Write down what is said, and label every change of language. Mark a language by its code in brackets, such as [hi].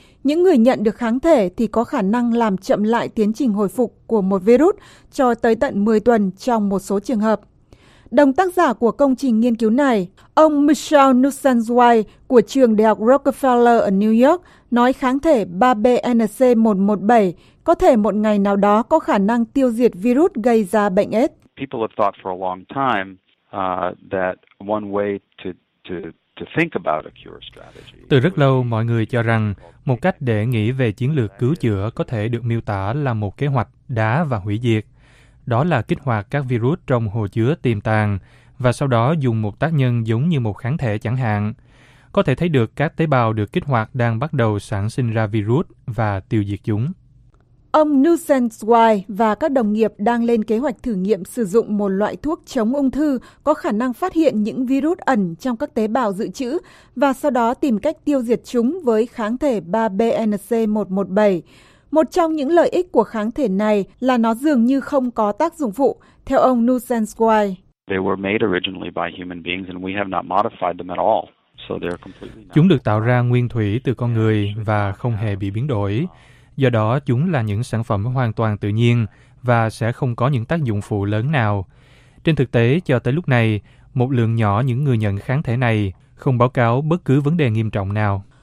[vi] Những người nhận được kháng thể thì có khả năng làm chậm lại tiến trình hồi phục của một virus cho tới tận 10 tuần trong một số trường hợp. Đồng tác giả của công trình nghiên cứu này, ông Michel Nussanswai của trường Đại học Rockefeller ở New York, nói kháng thể 3BNC117 có thể một ngày nào đó có khả năng tiêu diệt virus gây ra bệnh AIDS. [en] People have thought for a long time that one way to think about a cure strategy. [vi] Từ rất lâu, mọi người cho rằng một cách để nghĩ về chiến lược cứu chữa có thể được miêu tả là một kế hoạch đá và hủy diệt. Đó là kích hoạt các virus trong hồ chứa tiềm tàng và sau đó dùng một tác nhân giống như một kháng thể chẳng hạn. Có thể thấy được các tế bào được kích hoạt đang bắt đầu sản sinh ra virus và tiêu diệt chúng. Ông Nusenswai và các đồng nghiệp đang lên kế hoạch thử nghiệm sử dụng một loại thuốc chống ung thư có khả năng phát hiện những virus ẩn trong các tế bào dự trữ và sau đó tìm cách tiêu diệt chúng với kháng thể 3BNC117. Một trong những lợi ích của kháng thể này là nó dường như không có tác dụng phụ, theo ông Nusenswai. [en] They were made originally by human beings and we have not modified them at all. [vi] Chúng được tạo ra nguyên thủy từ con người và không hề bị biến đổi. Do đó, chúng là những sản phẩm hoàn toàn tự nhiên và sẽ không có những tác dụng phụ lớn nào. Trên thực tế, cho tới lúc này, một lượng nhỏ những người nhận kháng thể này không báo cáo bất cứ vấn đề nghiêm trọng nào.